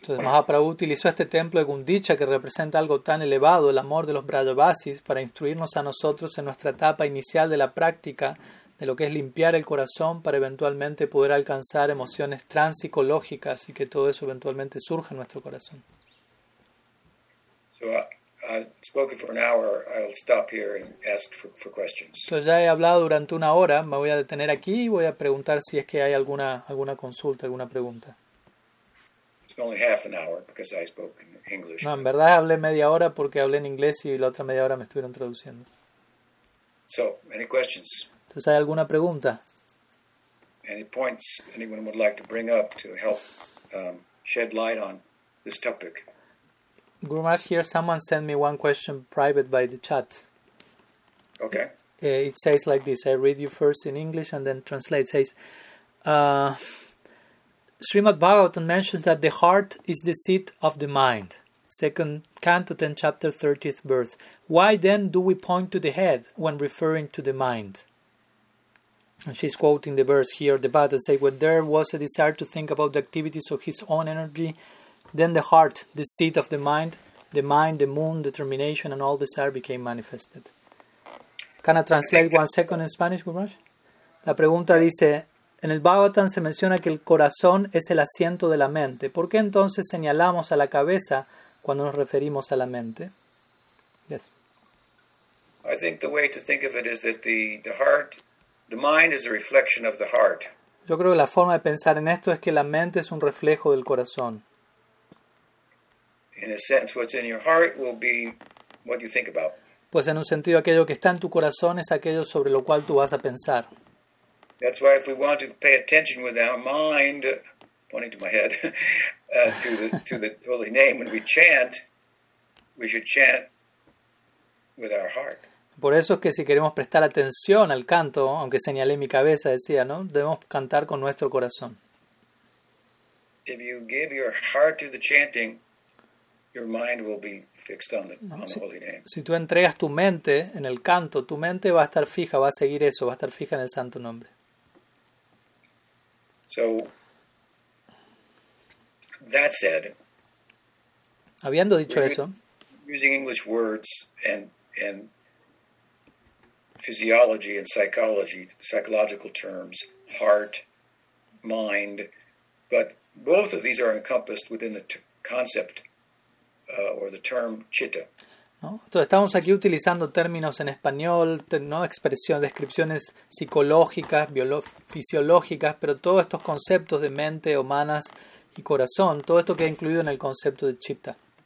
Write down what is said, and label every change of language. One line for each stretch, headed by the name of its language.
Spanish: Entonces Mahaprabhu utilizó este templo de Gundicha que representa algo tan elevado, el amor de los Brajavasis, para instruirnos a nosotros en nuestra etapa inicial de la práctica de lo que es limpiar el corazón para eventualmente poder alcanzar emociones transpsicológicas y que todo eso eventualmente surja en nuestro corazón.
English: So, I've spoken for an hour. I'll stop here and ask for questions.
Spanish: Entonces ya he hablado durante una hora. Me voy a detener aquí y voy a preguntar si es que hay alguna consulta, alguna pregunta.
English: It's only half an hour because I spoke in English.
Spanish: No, en verdad hablé media hora porque hablé en inglés y la otra media hora me estuvieron traduciendo.
English: So, any questions?
Spanish: Entonces, ¿hay alguna pregunta?
English: Any points anyone would like to bring up to help shed light on this topic? Guru Maharaj, here someone sent me one question private by the chat. Okay. It says like this. I read you first in English and then translate. It says, Srimad Bhagavatam mentions that the heart is the seat of the mind. Second Canto, 10th chapter, 30th verse. Why then do we point to the head when referring to the mind? And she's quoting the verse here. The Bhagavatam says, when there was a desire to think about the activities of his own energy, then the heart, the seat of the mind, the moon, determination, and all desire became manifested. Can I translate one second in Spanish, Guru Maharaj?
Spanish: La pregunta dice, en el Bhagavatam se menciona que el corazón es el asiento de la mente. ¿Por qué entonces señalamos a la cabeza cuando nos referimos a la mente?
English: Yes. I think the way to think of it is that the heart, the mind is a reflection of the heart.
Spanish: Yo creo que la forma de pensar en esto es que la mente es un reflejo del corazón.
English: In a sense, what's in your heart will be what you think about.
Spanish: Pues en un sentido, aquello que está en tu corazón es aquello sobre lo cual tú vas a pensar.
English: That's why if we want to pay attention with our mind, pointing to my head, to the holy name when we should chant with our heart.
Spanish: Por eso es que si queremos prestar atención al canto, aunque señalé mi cabeza, decía, ¿no? Debemos cantar con nuestro corazón.
English: If you give your heart to the chanting, your mind will be fixed on the holy name.
Spanish: Si tú entregas tu mente en el canto, tu mente va a estar fija, va a seguir eso, va a estar fija en el santo nombre.
English: So, that said,
Spanish: habiendo dicho eso,
English: using English words and physiology and psychology, psychological terms, heart, mind, but both of these are encompassed within the concept or the term chitta.
Spanish: ¿No? Entonces estamos aquí utilizando términos en español, ¿no? Expresiones, descripciones psicológicas, fisiológicas, pero todos estos conceptos de mente, o manas y corazón, todo esto queda incluido en el concepto de chitta.